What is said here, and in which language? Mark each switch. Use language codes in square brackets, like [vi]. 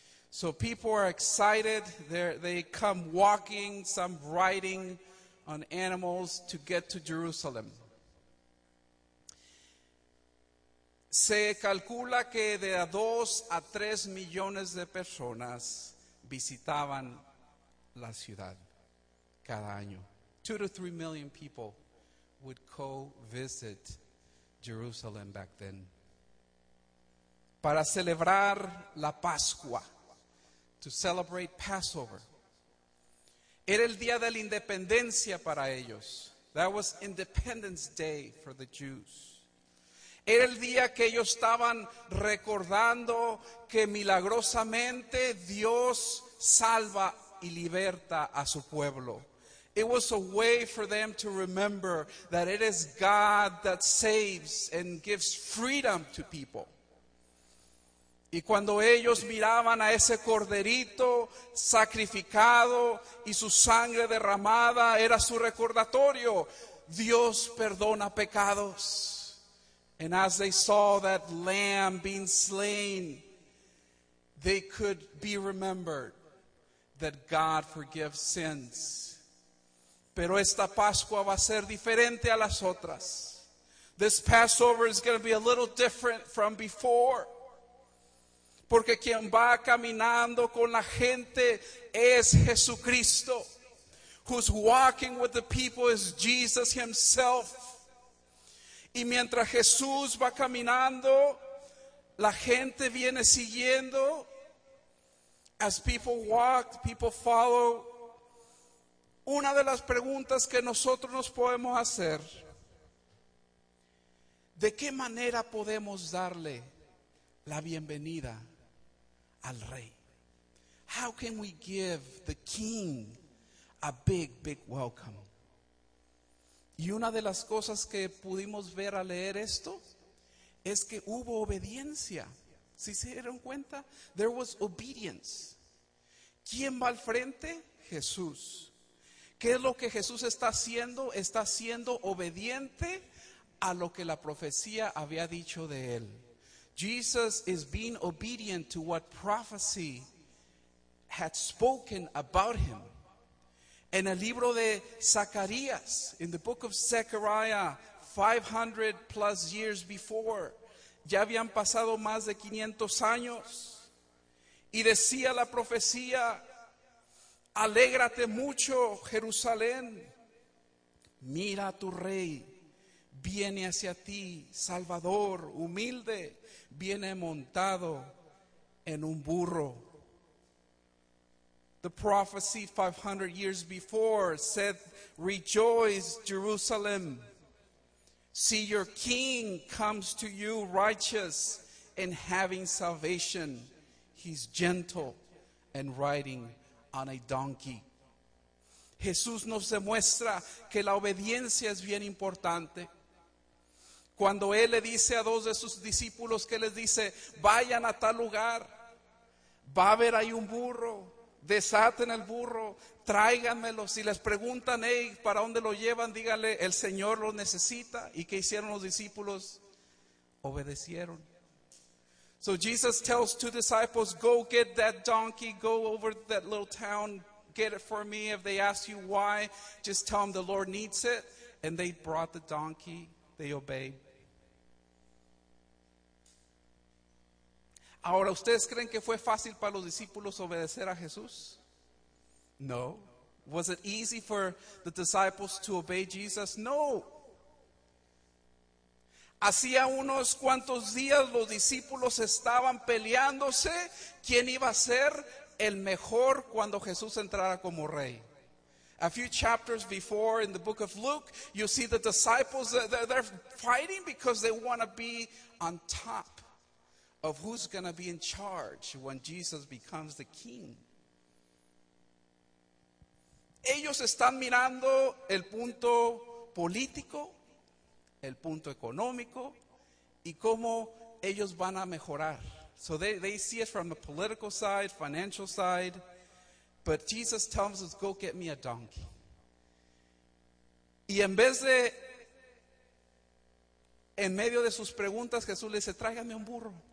[en] So people are excited. They come walking, some riding on animals to get to Jerusalem. [es] Se calcula que de 2 a 3 millones de personas visitaban la ciudad cada año. [en] 2 to 3 million people would co-visit Jerusalem back then. [es] Para celebrar la Pascua, [en] to celebrate Passover. [es] Era el día de la independencia para ellos. [en] That was Independence Day for the Jews. [es] Era el día que ellos estaban recordando que milagrosamente Dios salva y liberta a su pueblo. [en] It was a way for them to remember that it is God that saves and gives freedom to people. [es] Y cuando ellos miraban a ese corderito sacrificado y su sangre derramada, era su recordatorio: Dios perdona pecados. [en] And as they saw that lamb being slain, they could be remembered that God forgives sins. [es] Pero esta Pascua va a ser diferente a las otras. [en] This Passover is going to be a little different from before. [es] Porque quien va caminando con la gente es Jesucristo. [en] Who's walking with the people is Jesus himself. [es] Y mientras Jesús va caminando, la gente viene siguiendo. [en] As people walk, people follow. [es] Una de las preguntas que nosotros nos podemos hacer, ¿de qué manera podemos darle la bienvenida al rey? [en] How can we give the king a big, big welcome? [es] Y una de las cosas que pudimos ver al leer esto es que hubo obediencia. ¿Sí se dieron cuenta? [en] There was obedience. [es] ¿Quién va al frente? Jesús. ¿Qué es lo que Jesús está haciendo? Está siendo obediente a lo que la profecía había dicho de él. [en] Jesus is being obedient to what prophecy had spoken about him. [es] En el libro de Zacarías, [en] in the book of Zechariah, 500 plus years before, [es] ya habían pasado más de 500 años, y decía la profecía, alégrate mucho, Jerusalén. Mira a tu rey, viene hacia ti, salvador, humilde, viene montado en un burro. [en] The prophecy 500 years before said, rejoice, Jerusalem. See, your king comes to you righteous and having salvation. He's gentle and riding on a donkey. [es] Jesús nos demuestra que la obediencia es bien importante. Cuando él le dice a dos de sus discípulos, que les dice, vayan a tal lugar, va a haber ahí un burro, desaten el burro, tráiganmelo. Si les preguntan, hey, ¿para dónde lo llevan? Díganle, el Señor lo necesita. ¿Y qué hicieron los discípulos? Obedecieron. [en] So Jesus tells two disciples, go get that donkey, go over that little town, get it for me. If they ask you why, just tell them the Lord needs it. And they brought the donkey. They obeyed. [es] Ahora, ¿ustedes creen que fue fácil para los discípulos obedecer a Jesús? No. [en] Was it easy for the disciples to obey Jesus? No. [es] Hacía unos cuantos días los discípulos estaban peleándose quién iba a ser el mejor cuando Jesús entrara como rey. [en] A few chapters before in the book of Luke, you see the disciples, they're fighting because they want to be on top of who's going to be in charge when Jesus becomes the king. [es] Ellos están mirando el punto político, el punto económico, y cómo ellos van a mejorar. [en] So they see it from the political side, financial side. But Jesus tells us, go get me a donkey. [es] Y en vez de, en medio de sus preguntas, Jesús le dice, tráigame un burro.